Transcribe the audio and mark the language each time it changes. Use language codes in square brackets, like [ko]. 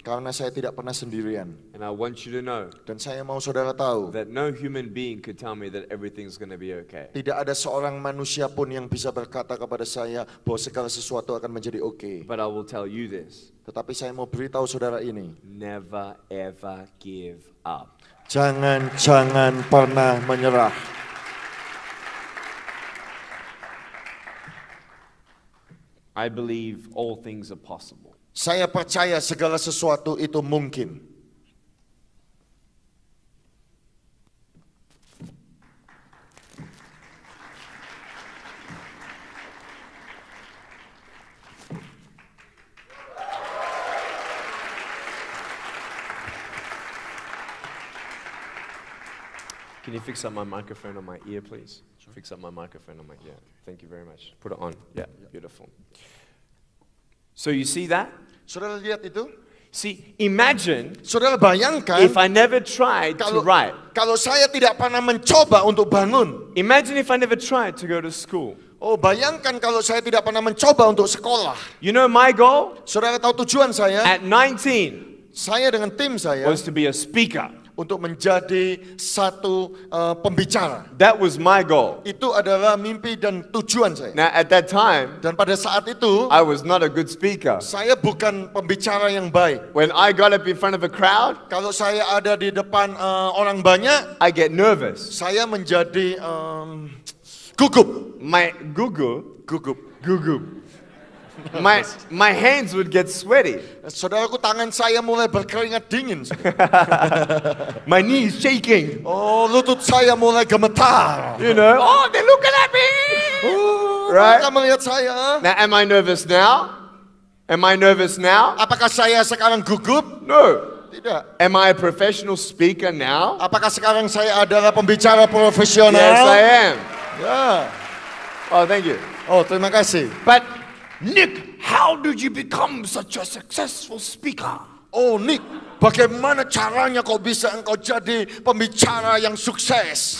[id] Karena saya tidak pernah sendirian. [en] And I want you to know. [id] Dan saya mau saudara tahu. [en] That no human being could tell me that everything's going to be okay. [id] Tidak ada seorang manusia pun yang bisa berkata kepada saya bahwa segala sesuatu akan menjadi okay. [en] But I will tell you this. [id] Tetapi saya mau beritahu saudara ini. [en] Never ever give up. [id] Jangan pernah menyerah. [en] I believe all things are possible. [id] Saya percaya segala sesuatu itu mungkin. [en] Can you fix up my microphone on my ear, please? Sure. Fix up my microphone on my ear. Thank you very much. Put it on. Yeah. Beautiful. So you see that? [id] Saudara lihat itu? [en] See, imagine. [id] Saudara bayangkan. [en] If I never tried to write. [id] Kalau saya tidak pernah mencoba untuk bangun. [en] Imagine if I never tried to go to school. [id] Oh, bayangkan kalau saya tidak pernah mencoba untuk sekolah. [en] You know my goal? [id] Saudara tahu tujuan saya? [en] At 19. [id] Saya dengan tim saya. [en] Was to be a speaker. [id] Untuk menjadi satu pembicara. [en] That was my goal. [id] Itu adalah mimpi dan tujuan saya. [en] Now at that time, [id] dan pada saat itu, [en] I was not a good speaker. [id] Saya bukan pembicara yang baik. [en] When I got up in front of a crowd, [id] kalau saya ada di depan orang banyak, [en] I get nervous. [id] Saya menjadi Gugup. [en] My [id] gugup. Gugup. Gugup. [en] My hands would get sweaty. [id] Saudaraku, tangan saya mulai berkeringat dingin. [en] My knees shaking. [id] Oh, lutut saya mulai gemetar. [en] You know? Oh, they're looking at me. Right? [id] Mereka melihat saya. [en] Now, am I nervous now? Am I nervous now? [id] Apakah saya sekarang gugup? [en] No. [id] Tidak. [en] Am I a professional speaker now? [id] Apakah sekarang saya adalah pembicara profesional? [en] Yes, I am. Yeah. Oh, thank you. [id] Oh, terima kasih. [en] But Nick, how did you become such a successful speaker? [id] Oh, Nick, bagaimana caranya kau bisa engkau jadi pembicara yang sukses?